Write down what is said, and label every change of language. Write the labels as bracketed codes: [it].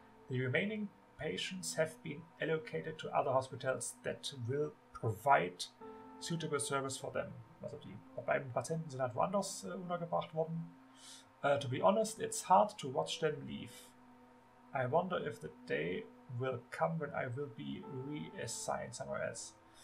[en] The remaining patients have been allocated to other hospitals that will provide suitable service for them. [de] Also die beiden Patienten sind halt woanders untergebracht worden. [en] To be honest, it's hard to watch them leave. I wonder if the day will come when I will be reassigned somewhere else.